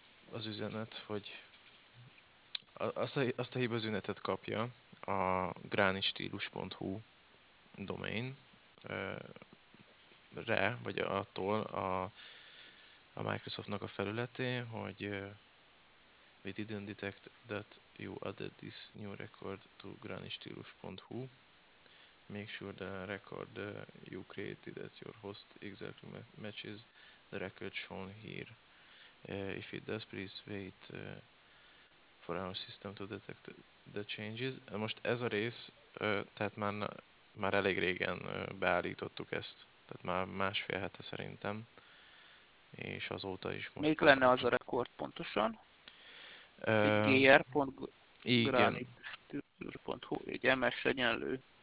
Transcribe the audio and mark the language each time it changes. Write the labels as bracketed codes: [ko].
[hu] az üzenet, hogy azt a hibaüzenetet kapja a granitstílus.hu domain re, vagy attól a Microsoftnak a felületén, hogy [en] we didn't detect that you added this new record to granitstílus.hu. Make sure the record you created at your host exactly matches the record shown here. If it does, please wait for our system to detect the changes. [hu] Most ez a rész, tehát már elég régen beállítottuk ezt, tehát már másfél hete szerintem, és azóta is most. Még lenne az a rekord pontosan? Egy gr.granitstílus.hu, egy ms egyenlő.